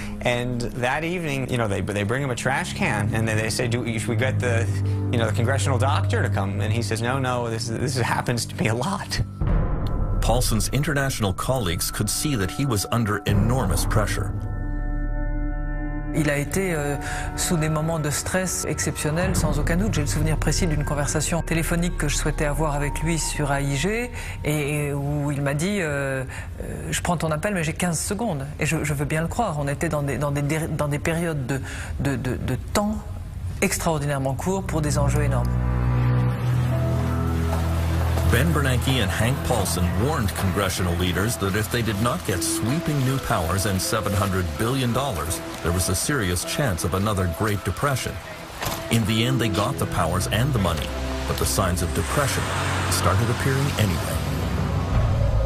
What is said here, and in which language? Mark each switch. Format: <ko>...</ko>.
<en>And that evening, you know, they bring him a trash can. And then they say, should we get the congressional doctor to come? And he says, no, this happens to me a lot. Paulson's international colleagues could see that he was under enormous pressure.</en> <fr>Il a été sous des moments de stress exceptionnels, sans aucun doute. J'ai le souvenir précis d'une conversation téléphonique que je souhaitais avoir avec lui sur AIG et où il m'a dit « Je prends ton appel, mais j'ai 15 secondes. » Et je veux bien le croire. On était dans des périodes de temps extraordinairement courts pour des enjeux énormes.</fr> <en>Ben Bernanke and Hank Paulson warned congressional leaders that if they did not get sweeping new powers and $700 billion, there was a serious chance of another Great Depression. In the end, they got the powers and the money, but the signs of depression started appearing anyway.</en>